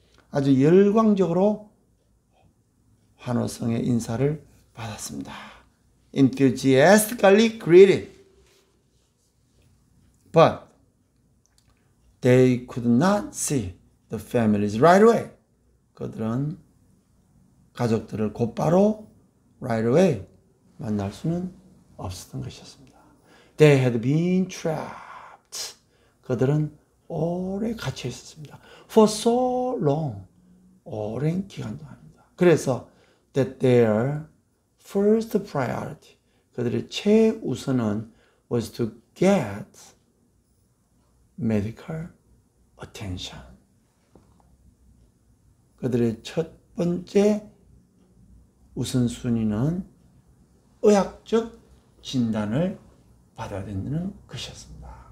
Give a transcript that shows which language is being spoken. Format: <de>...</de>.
<ko>아주 열광적으로 환호성의 인사를 받았습니다.</ko> <en>enthusiastically greeted. But they could not see the families right away.</en> <ko>그들은 가족들을 곧바로</ko> <en>right away</en> <ko>만날 수는 없었던 것이었습니다.</ko> <en>They had been trapped</en> <ko>그들은 오래 갇혀 있었습니다.</ko> <en>For so long.</en> <ko>오랜 기간 동안입니다. 그래서</ko> <en>that their first priority,</en> <ko>그들의 최우선은</ko> <en>was to get medical attention.</en> <ko>그들의 첫 번째 우선순위는 의학적 진단을 받아야 된다는 것이었습니다.</ko>